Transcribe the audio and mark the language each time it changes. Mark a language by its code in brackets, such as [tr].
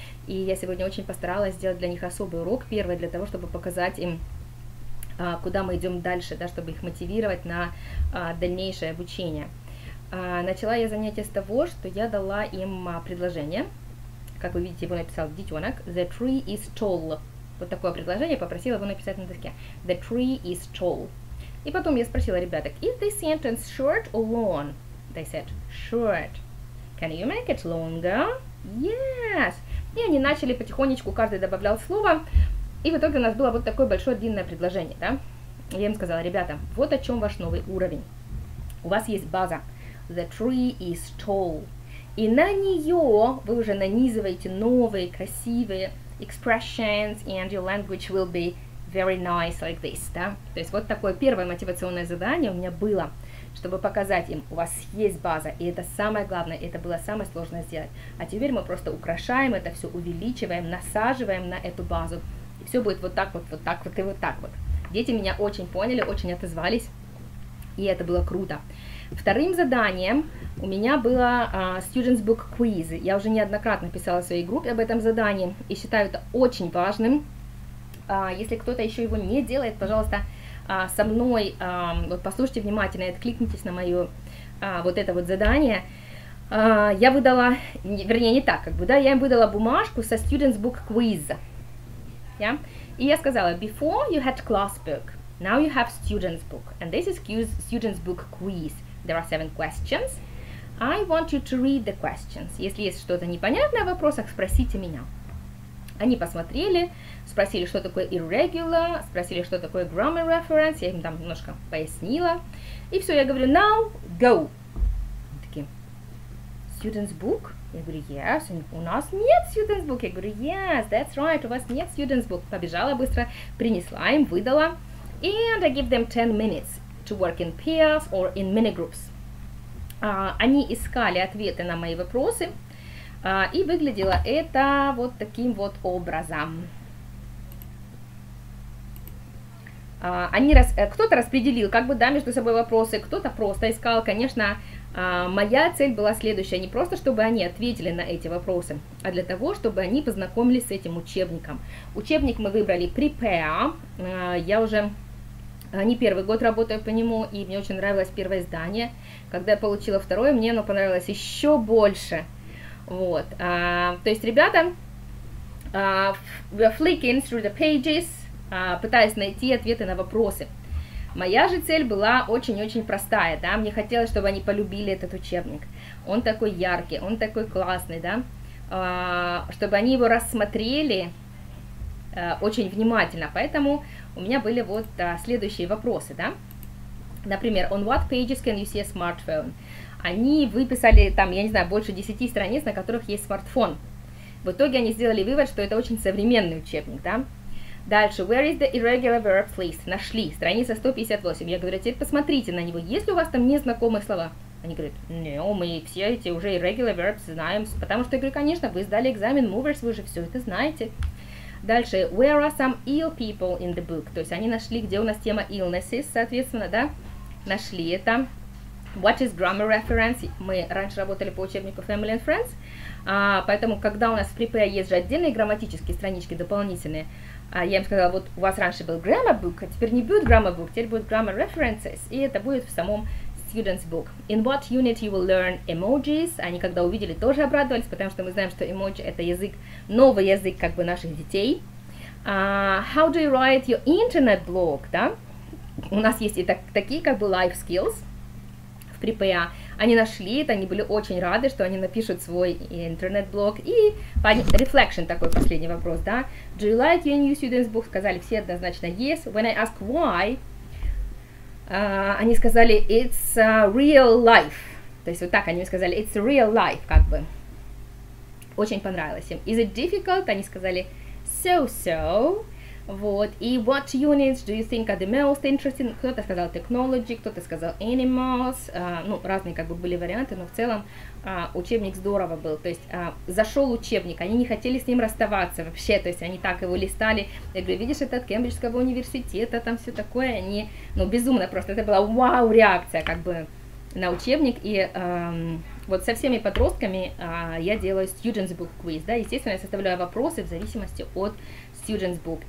[ru] И я сегодня очень постаралась сделать для них особый урок, первый, для того, чтобы показать им, куда мы идем дальше, да, чтобы их мотивировать на дальнейшее обучение. Начала я занятие с того, что я дала им предложение. Как вы видите, его написал детенок. [en] The tree is tall. [ru] Вот такое предложение, попросила его написать на доске. [en] The tree is tall. [ru] И потом я спросила ребяток, [en] is this sentence short or long? They said, short. Can you make it longer? Yes. [ru] И они начали потихонечку, каждый добавлял слово. И в итоге у нас было вот такое большое длинное предложение, да? Я им сказала, ребята, вот о чем ваш новый уровень. У вас есть база. [en] The tree is tall. [ru] И на нее вы уже нанизываете новые красивые [en] expressions, and your language will be very nice like this, [ru] да? То есть вот такое первое мотивационное задание у меня было, чтобы показать им, у вас есть база, и это самое главное, это было самое сложное сделать. А теперь мы просто украшаем это все, увеличиваем, насаживаем на эту базу. Все будет вот так вот, вот так вот и вот так вот. Дети меня очень поняли, очень отозвались, и это было круто. Вторым заданием у меня было Students Book Quiz. Я уже неоднократно писала в своей группе об этом задании и считаю это очень важным. Если кто-то еще его не делает, пожалуйста, со мной вот послушайте внимательно и откликнитесь на мое вот это вот задание. Я выдала, вернее, не так, как бы, да, я им выдала бумажку со Students Book Quiz. [en] И я сказала, before you had class book, now you have student's book, and this is student's book quiz. There are 7 questions. I want you to read the questions. [ru] Если есть что-то непонятное в вопросах, спросите меня. Они посмотрели, спросили, что такое irregular, спросили, что такое grammar reference, я им там немножко пояснила. И все, я говорю, [en] now go. [ru] Они такие, student's book? Я говорю, yes, у нас нет student's book. Я говорю, [en] yes, that's right, [ru] у вас нет student's book. Побежала быстро, принесла им, выдала. [en] And I give them 10 minutes to work in pairs or in mini-groups. [ru] Они искали ответы на мои вопросы, и выглядело это вот таким вот образом. Кто-то распределил как бы, да, между собой вопросы, кто-то просто искал, конечно. Моя цель была следующая, не просто чтобы они ответили на эти вопросы, а для того, чтобы они познакомились с этим учебником. Учебник мы выбрали Prepare, я уже не первый год работаю по нему, и мне очень нравилось первое издание. Когда я получила второе, мне оно понравилось еще больше. Вот. То есть, ребята, [en] we're flicking through the pages, [ru] пытаясь найти ответы на вопросы. Моя же цель была очень-очень простая, да, мне хотелось, чтобы они полюбили этот учебник. Он такой яркий, он такой классный, да, чтобы они его рассмотрели очень внимательно. Поэтому у меня были вот следующие вопросы, да. [en] Например, on what pages can you see a smartphone? [ru] Они выписали там, я не знаю, больше 10 страниц, на которых есть смартфон. В итоге они сделали вывод, что это очень современный учебник, да. [en] Дальше, where is the irregular verbs list? [ru] Нашли, страница 158. Я говорю, теперь посмотрите на него, есть ли у вас там незнакомые слова? Они говорят, no, мы все эти уже irregular verbs знаем, потому что, я говорю, конечно, вы сдали экзамен Movers, вы же все это знаете. [en] Дальше, where are some ill people in the book? [ru] То есть они нашли, где у нас тема illnesses, соответственно, да, нашли это. [en] What is grammar reference? [ru] Мы раньше работали по учебнику Family and Friends, поэтому, когда у нас в Prepare есть же отдельные грамматические странички дополнительные, я им сказала, вот у вас раньше был grammar book, а теперь не будет grammar book, теперь будет grammar references, и это будет в самом student's book. [en] In what unit you will learn emojis? [ru] Они когда увидели, тоже обрадовались, потому что мы знаем, что emoji — это язык, новый язык как бы наших детей. [en] How do you write your internet blog, да? [ru] У нас есть и такие как бы life skills в Припеа. Они нашли это, они были очень рады, что они напишут свой интернет-блог. И reflection такой последний вопрос, да? [en] Do you like your new student's book? [ru] Сказали все однозначно yes. [en] When I ask why, [ru] они сказали [en] it's real life. [ru] То есть вот так они сказали, [en] it's real life, [ru] как бы. Очень понравилось им. [en] Is it difficult? [ru] Они сказали so-so. Вот, и [en] what units do you think are the most interesting? [ru] Кто-то сказал technology, кто-то сказал animals, ну, разные как бы были варианты, но в целом учебник здорово был, то есть зашел учебник, они не хотели с ним расставаться вообще, то есть они так его листали, я говорю, видишь, это от Кембриджского университета, там все такое, они, ну, безумно просто, это была вау-реакция как бы на учебник, и вот со всеми подростками я делаю students book quiz, да, естественно, я составляю вопросы в зависимости от Students book.